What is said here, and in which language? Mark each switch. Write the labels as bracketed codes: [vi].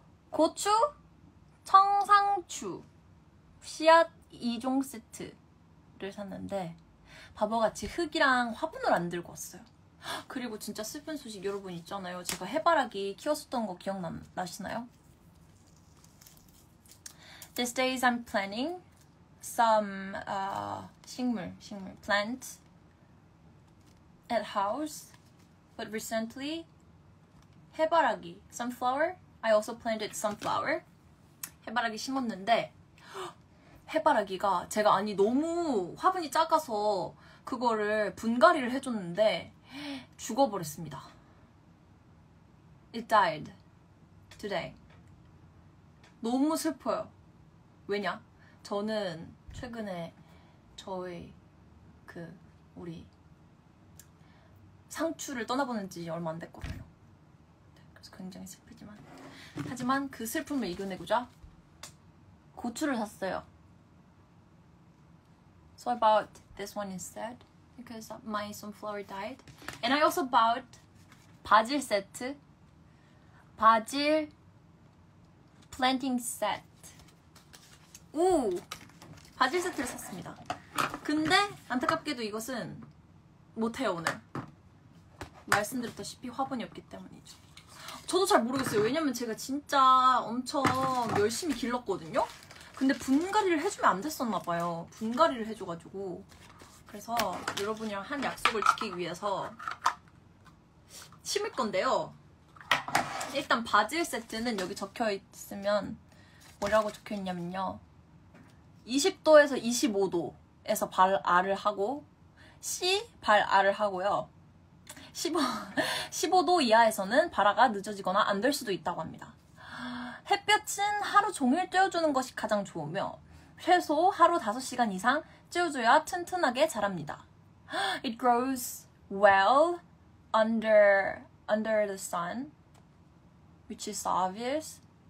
[ko] 고추, 청상추, 씨앗 2종 세트를 샀는데 바보같이 흙이랑 화분을 안 들고 왔어요. 그리고 진짜 슬픈 소식 여러분 있잖아요. 제가 해바라기 키웠었던 거 기억나시나요? [en] These days I'm planting some 식물 plant at house. But recently, 해바라기 sunflower. I also planted sunflower. [ko] 해바라기 심었는데 해바라기가 제가 아니 너무 화분이 작아서 그거를 분갈이를 해줬는데 죽어버렸습니다. [en] It died today. [ko] 너무 슬퍼요. 왜냐? 저는 최근에 저희 그 우리 상추를 떠나보낸 지 얼마 안 됐거든요. 그래서 굉장히 슬프지만 하지만 그 슬픔을 이겨내고자 고추를 샀어요. [en] So I bought this one instead because my sunflower died. And I also bought 바질 세트. 바질 planting set. [ko] 오! 바질 세트를 샀습니다. 근데 안타깝게도 이것은 못해요. 오늘 말씀드렸다시피 화분이 없기 때문이죠. 저도 잘 모르겠어요. 왜냐면 제가 진짜 엄청 열심히 길렀거든요. 근데 분갈이를 해주면 안 됐었나 봐요. 분갈이를 해줘가지고. 그래서 여러분이랑 한 약속을 지키기 위해서 심을 건데요. 일단 바질 세트는 여기 적혀있으면 뭐라고 적혀있냐면요, 20도에서 25도에서 발알을 하고 씨 발알을 하고요. 15도 이하에서는 발화가 늦어지거나 안 될 수도 있다고 합니다. 햇볕은 하루 종일 쬐어주는 것이 가장 좋으며 최소 하루 5시간 이상 찌워줘야 튼튼하게 자랍니다. [en] It grows well under the sun, which is obvious.